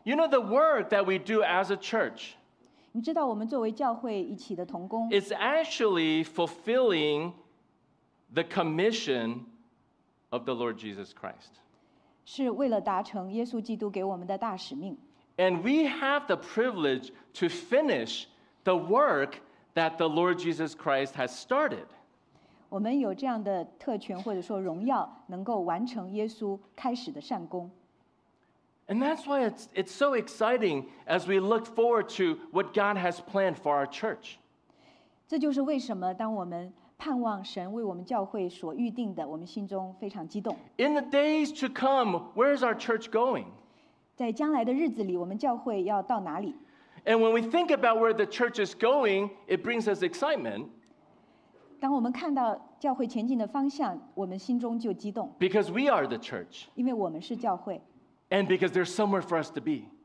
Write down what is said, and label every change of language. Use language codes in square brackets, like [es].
[en] You know the work that we do as a church. [zh] 你知道我们作为教会一起的同工。 [en] It's actually fulfilling the commission of the Lord Jesus Christ. [zh] 是为了达成耶稣基督给我们的大使命。 [en] And we have the privilege to finish the work that the Lord Jesus Christ has started. [zh] 我们有这样的特权或者说荣耀，能够完成耶稣开始的善工。 [en] And that's why it's so exciting as we look forward to what God has planned for our church. [zh] 这就是为什么当我们盼望神为我们教会所预定的，我们心中非常激动。 [en] In the days to come, where is our church going? [zh] 在将来的日子里，我们教会要到哪里？ [en] And when we think about where the church is going, it brings us excitement. [zh] 当我们看到教会前进的方向，我们心中就激动。 [en] Because we are the church. [zh] 因为我们是教会。 [en] And because there's somewhere for us to be.